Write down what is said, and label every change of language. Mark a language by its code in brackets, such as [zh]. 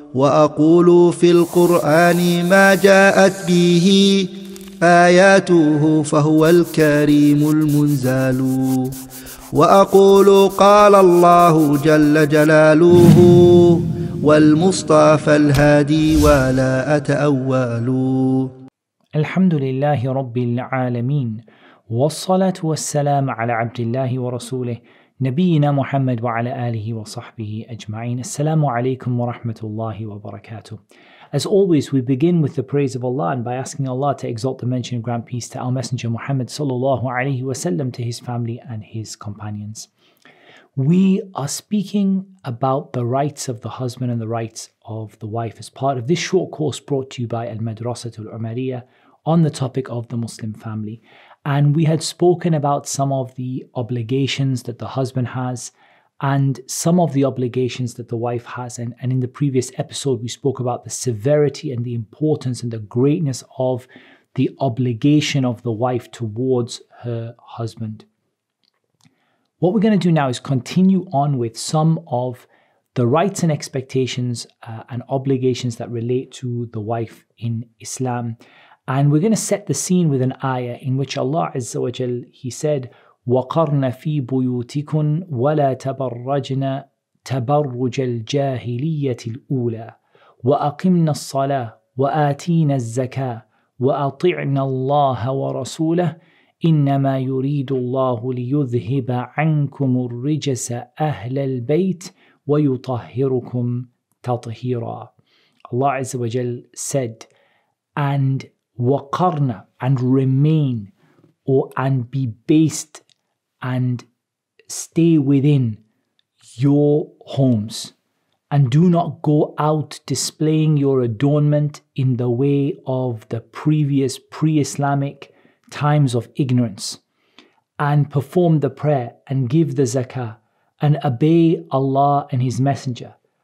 [ar] وأقول في القرآن ما جاءت به آياته فهو الكريم المنزال وأقول قال الله جل جلاله والمصطفى الهادي ولا أتأول الحمد لله رب العالمين والصلاة والسلام على عبد الله ورسوله نبينا محمد وعلى آله وصحبه أجمعين السلام عليكم ورحمة الله وبركاته. [en] As always, we begin with the praise of Allah and by asking Allah to exalt the mention and grant peace to our Messenger Muhammad sallallahu alaihi wasallam, to his family and his companions. We are speaking about the rights of the husband and the rights of the wife as part of this short course brought to you by Al-Madrasatu Al Umariyyah on the topic of the Muslim family. And we had spoken about some of the obligations that the husband has and some of the obligations that the wife has. And in the previous episode, we spoke about the severity and the importance and the greatness of the obligation of the wife towards her husband. What we're going to do now is continue on with some of the rights and expectations and obligations that relate to the wife in Islam. And we're going to set the scene with an ayah in which Allah Azza wa Jal, He said, [ar] وَقَرْنَ فِي بُيُوتِكُنْ وَلَا تَبَرَّجْنَ تَبَرُّجَ الْجَاهِلِيَّةِ الْأُولَى وَأَقِمْنَ الصَّلَاةَ وَآتِينَ الزَّكَاةَ وَأَطِعْنَ اللَّهَ وَرَسُولَهُ إِنَّمَا يُرِيدُ اللَّهُ لِيُذْهِبَ عَنْكُمُ الرِّجَسَ أَهْلَ الْبَيْتِ وَيُطَهِّرُكُمْ تَطْهِيرًا. [en] Allah Azza wa Jal said, and waqarna, and remain, or and be based and stay within your homes, and do not go out displaying your adornment in the way of the previous pre-Islamic times of ignorance, and perform the prayer and give the zakah and obey Allah and His Messenger.